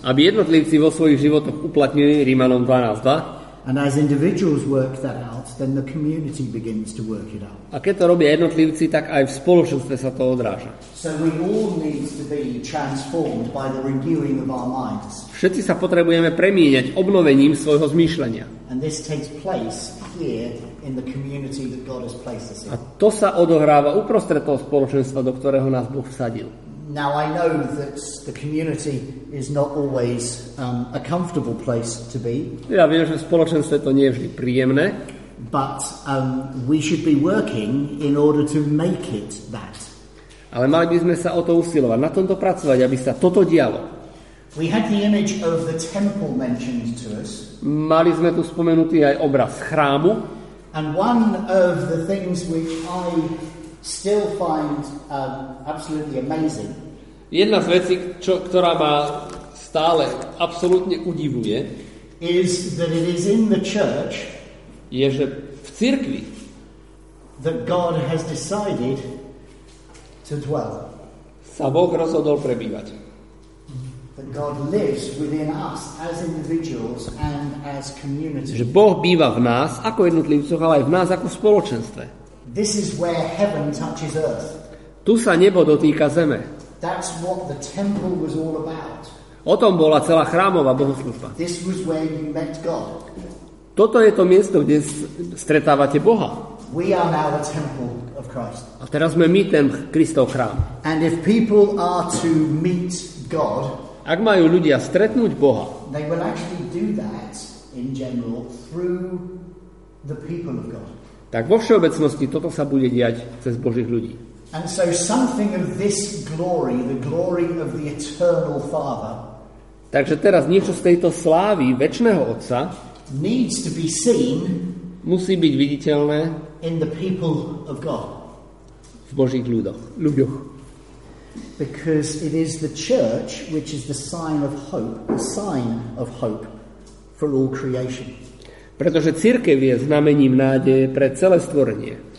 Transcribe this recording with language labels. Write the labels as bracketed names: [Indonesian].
[Slovak] Aby jednotlivci vo svojich životoch uplatnili Rímanom 12:2. [English] And as individuals work that out, then the community begins to work it out. [Slovak] A keď to robia jednotlivci, tak aj v spoločenstve sa to odráža. [English] So we all need to be transformed by the renewing of our minds. [Slovak] Všetci sa potrebujeme premieňať obnovením svojho zmýšľania. [English] And this takes place here in the community that God has placed us in. [Slovak] A to sa odohráva uprostred toho spoločenstva, do ktorého nás Boh vsadil. [English] Now I know that the community is not always a comfortable place to be. [Slovak] Ja viem, že spoločenstvo to nie je vždy príjemné. [English] But we should be working in order to make it that. [Slovak] Ale mali by sme sa o to usilovať, na tomto pracovať, aby sa toto dialo. [English] We had the image of the temple mentioned to us. [Slovak] Mali sme tu spomenutý aj obraz chrámu. [English] And one of the things which I still find absolutely amazing. [Slovak] Jedna z vecí, ktorá ma stále absolútne udivuje, [English] is that it is in the church, [Slovak] je, že v cirkvi, [English] that God has decided to dwell. [Slovak] Sa Boh rozhodol prebývať. [English] That God lives within us as individuals and as community. [Slovak] Že Boh býva v nás ako jednotlivcoch, ale aj v nás ako v spoločenstve. [English] This is where heaven touches earth. [Slovak] Tu sa nebo dotýka zeme. [English] That's what the temple was all about. [Slovak] O tom bola celá chrámová bohoslužba. [English] This was where you met God. [Slovak] Toto je to miesto, kde stretávate Boha. [English] We are now the temple of Christ. [Slovak] A teraz sme my ten Kristov chrám. [English] And if people are to meet God, [Slovak] ak majú ľudia stretnúť Boha, [English] they will actually do that in general through the people of God. [Slovak] Tak vo všeobecnosti toto sa bude diať cez Božích ľudí. [English] And so something of this glory, the glory of the eternal Father, [Slovak] takže teraz niečo z tejto slávy večného Otca [English] needs to be seen, [Slovak] musí byť viditeľné [English] in the people of God, [Slovak] v Božích ľuďoch. [English] Because it is the church which is the sign of hope, the sign of hope for all creation. [Slovak] Pretože cirkev je znamením nádeje pre celé stvorenie.